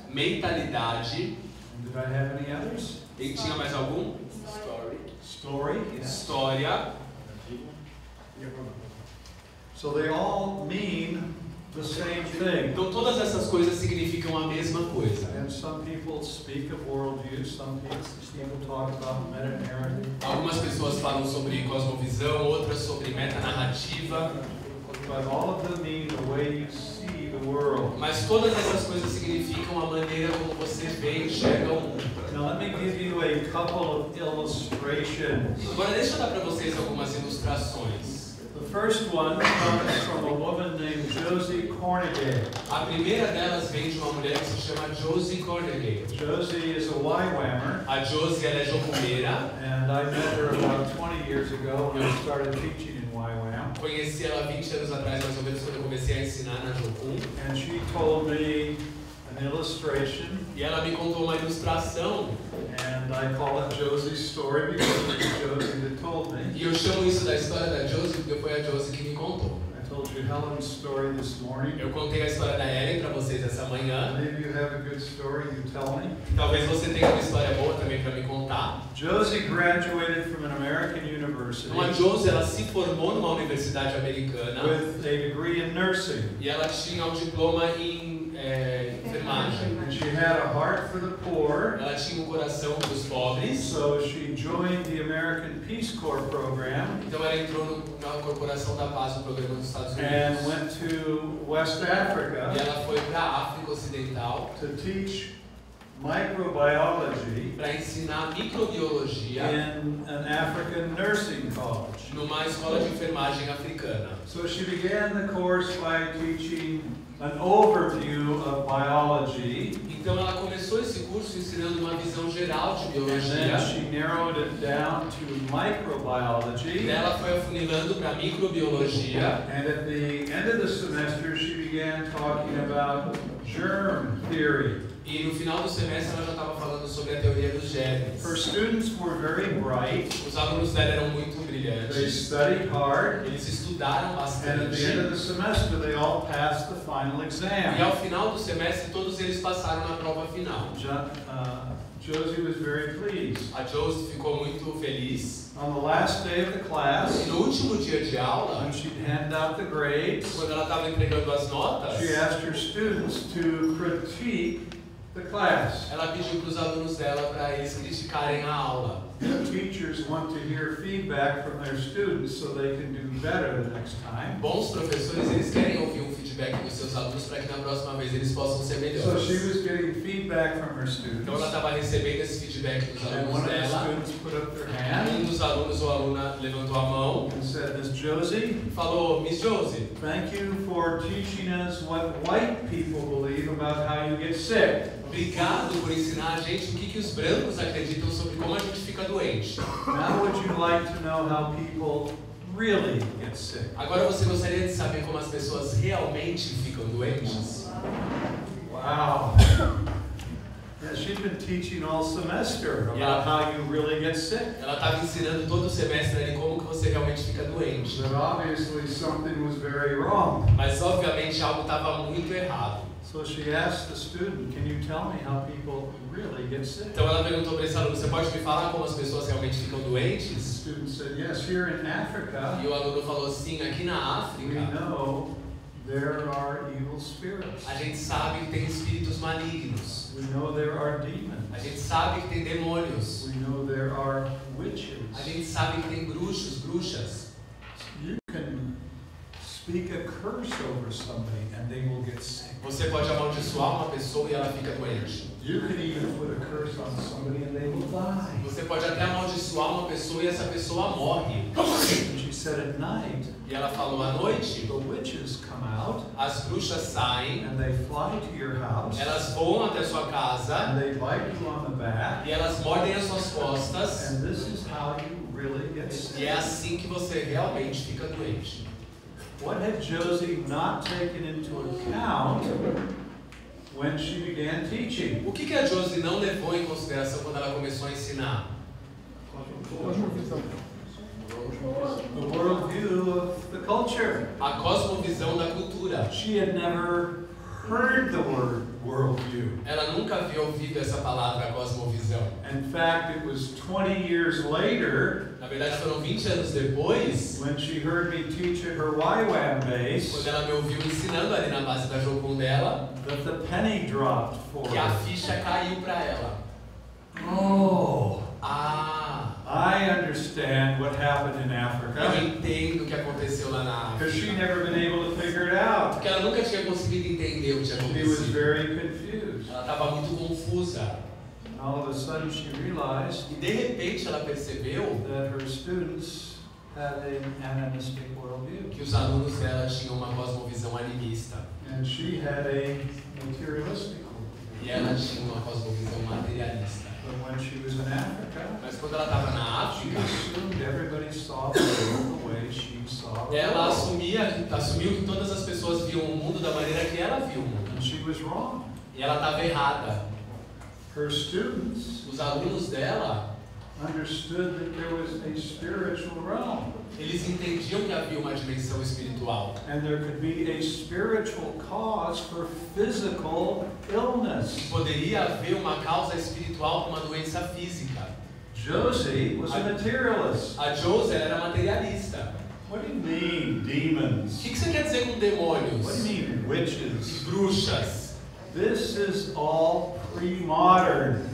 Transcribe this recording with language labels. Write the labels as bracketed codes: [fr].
[pt] Mentalidade. [en] And did I have any others? [pt] E tinha mais algum? [en] Story. [pt] História. [en] So they all mean the same thing. [pt] Então todas essas coisas significam a mesma coisa. [en] And some people speak of worldview, some people talk about meta-narrative. [pt] Algumas pessoas falam sobre cosmovisão, outras sobre meta-narrativa. [en] But all of them mean the way you see the world. [pt] Mas todas essas coisas significam a maneira como você vê e enxerga o mundo. [en] Now let me give you a couple of illustrations. [pt] Agora deixa eu dar para vocês algumas ilustrações. [en] The first one comes from a woman named Josie Cornegay. [pt] A primeira delas vem de uma mulher que se chama Josie Cornegay. [en] Josie is a YWAMer. [pt] A Josie, ela é jocumeira. [en] And I met her about 20 years ago when I started teaching in YWAM. [pt] Conheci ela 20 anos atrás, mais ou menos, quando eu comecei a ensinar na Jocum. [en] And she told me an illustration. [pt] E ela me contou uma ilustração. [en] And I call it Josie's story because it was Josie that told me. [pt] E eu chamo isso da história da Josie porque foi a Josie que me contou. [en] I told you Helen's story this morning. [pt] Eu contei a história da Helen para vocês essa manhã. [en] Maybe you have a good story, you tell me. [pt] Talvez você tenha uma história boa também para me contar. [en] Josie graduated from an American university. [pt] Então, a Josie, ela se formou numa universidade americana. [en] With a degree in nursing. [pt] E ela tinha um diploma em enfermagem. [en] And she had a heart for the poor. [pt] Ela tinha um coração para os pobres. [en] So she joined the American Peace Corps program. [pt] Então ela entrou na Corporação da Paz, o programa dos Estados Unidos. [en] And went to West Africa. [pt] E ela foi para a África Ocidental. [en] To teach microbiology. [pt] Para ensinar microbiologia. [en] In an African nursing college. [pt] Numa escola de enfermagem africana. [en] So she began the course by teaching an overview of biology. [pt] Então ela começou esse curso ensinando uma visão geral de biologia. [en] And she narrowed it down to microbiology. [pt] E ela foi afunilando para microbiologia. [en] And at the end of the semester, she began talking about germ theory. [pt] E no final do semestre, ela já estava falando sobre a teoria dos germes. [en] Her students were very bright. [pt] Os alunos dela eram muito brilhantes. [en] They studied hard. [pt] Eles estudaram bastante. [en] And at the end of the semester, they all passed the final exam. [pt] E ao final do semestre, todos eles passaram na prova final. [en] Josie was very pleased. [pt] A Josie ficou muito feliz. [en] On the last day of the class, [pt] e no último dia de aula, [en] when she'd hand out the grades, [pt] quando ela estava entregando as notas, [en] she asked her students to critique the class. [pt] Ela pediu para os alunos dela para eles criticarem a aula. [en] The teachers want to hear feedback from their students so they can do better the next time. [pt] Bons professores, eles querem ouvir um feedback dos seus alunos para que na próxima vez eles possam ser melhores. [en] So she was getting feedback from her students. [pt] Então ela estava recebendo esse feedback dos alunos dela. [en] And one of the students put up their hand. [pt] Um dos alunos ou aluna levantou a mão. [en] And said, "Miss Josie." [pt] Falou, "Miss Josie." [en] Thank you for teaching us what white people believe about how you get sick. [pt] Obrigado por ensinar a gente o que, que os brancos acreditam sobre como a gente fica doente. [en] Now would you like to know how people really get sick? [pt] Agora você gostaria de saber como as pessoas realmente ficam doentes? [en] Wow. Yeah, she she's been teaching all semester about how you really get sick. [pt] Ela estava ensinando todo semestre ali como que você realmente fica doente. [en] But obviously something was very wrong. [pt] Mas obviamente algo estava muito errado. [en] So she asked the student, "Can you tell me how people really get sick?" [pt] Então ela perguntou para esse aluno, "Você pode me falar como as pessoas realmente ficam doentes?" [en] The student said, "Yes, here in Africa." [pt] E o aluno falou, "Sim, aqui na África." [en] We know there are evil spirits. [pt] A gente sabe que tem espíritos malignos. [en] We know there are demons. [pt] A gente sabe que tem demônios. [en] We know there are witches. [pt] A gente sabe que tem bruxos, bruxas. [en] You can speak a curse over something and they will get sick. [pt] Você pode amaldiçoar uma pessoa e ela fica doente. [en] You can even put a curse on somebody and they will die. [pt] Você pode até amaldiçoar uma pessoa e essa pessoa morre. [en] She said at night. [pt] E ela falou à noite. [en] The witches come out. [pt] As bruxas saem. [en] And they fly to your house. [pt] Elas voam até sua casa. [en] And they bite you on the back. [pt] E elas mordem as suas costas. [en] And this is how you really get sick. [pt] E é assim que você realmente fica doente. [en] What had Josie not taken into account when she began teaching? [pt] O que que a Josie não levou em consideração quando ela começou a ensinar? [en] The worldview of the culture. [pt] A cosmovisão da cultura. [en] She had never heard the word worldview. [pt] Ela nunca havia ouvido essa palavra cosmovisão. [en] In fact, it was 20 years later. [pt] Na verdade, foram 20 anos depois. [en] When she heard me teach at her YWAM base. [pt] Quando ela me ouviu ensinando ali na base da Jocund dela. [en] That the penny dropped for [pt] her. Que a ficha caiu para ela. Oh. Ah. [en] I understand what happened in Africa. [pt] Eu entendo o que aconteceu lá na África. [en] Because she'd never been able to figure it out. [pt] Porque ela nunca tinha conseguido entender o que tinha acontecido. [en] She was very confused. [pt] Ela estava muito confusa. [en] And all of a sudden she realized. [pt] E de repente ela percebeu. [en] That her students had an animistic worldview. [pt] Que os alunos dela tinham uma cosmovisão animista. [en] And she had a materialistic worldview. [pt] E ela tinha uma cosmovisão materialista. [en] But when she was in Africa, [pt] mas quando ela estava na África, [en] she assumed everybody saw the world the way she saw the [pt] world. Ela assumiu que todas as pessoas viam o mundo da maneira que ela viu o mundo. [en] And she was wrong. [pt] E ela estava errada. [en] Her students, [pt] os alunos dela, [en] understood that there was a spiritual realm. [pt] Eles entendiam que havia uma dimensão espiritual. [en] And there could be a spiritual cause for physical illness. [pt] E poderia haver uma causa espiritual para uma doença física. [en] Josie was a materialist. [pt] A Josie era materialista. [en] What do you mean, demons? [pt] O que você quer dizer com demônios? [en] What do you mean, witches? [pt] Bruxas. [en] This is all pre-modern.